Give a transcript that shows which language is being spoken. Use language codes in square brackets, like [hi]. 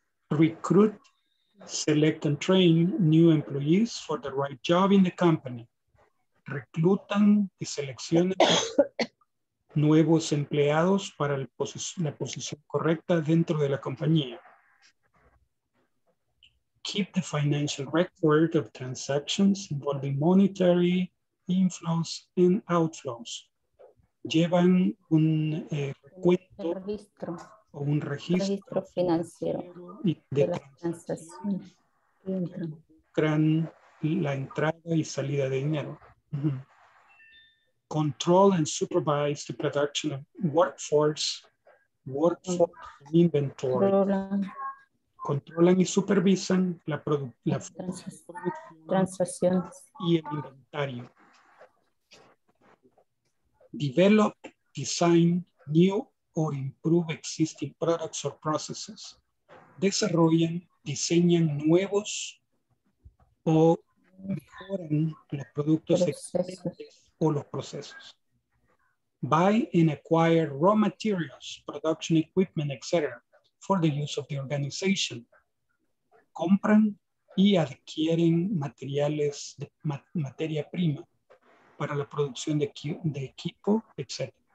[en] Recruit, select and train new employees for the right job in the company. [es] Reclutan y seleccionan nuevos empleados para la posición correcta dentro de la compañía. [en] Keep the financial record of transactions involving monetary inflows and outflows. [es] Llevan un recuento o un registro financiero de transacciones. Gran la entrada y salida de dinero. [en] Control and supervise the production of workforce inventory. [es] Controlan y supervisan la transacciones y el inventario. [en] Develop, design new or improve existing products or processes. [es] Desarrollan, diseñan nuevos o mejoran los productos existentes o los procesos. [en] Buy and acquire raw materials, production equipment, etc. for the use of the organization. [es] Compran y adquieren materiales, de materia prima para la producción de equipo, etc.